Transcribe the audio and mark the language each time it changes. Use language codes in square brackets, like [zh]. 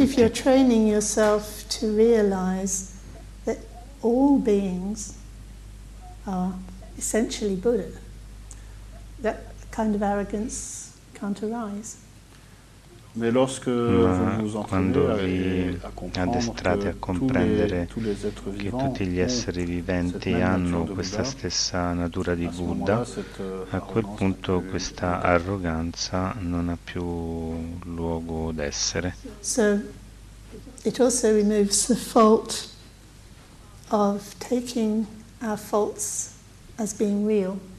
[en] But if you're training yourself to realize that all beings are essentially Buddha, that kind of arrogance can't arise. [fr] Mais lorsque [it] quando vi addestrate a comprendere che tutti gli esseri viventi hanno questa stessa natura di Buddha, a quel punto questa arroganza non ha più luogo d'essere. [en] So it also removes the fault of taking our faults as being real.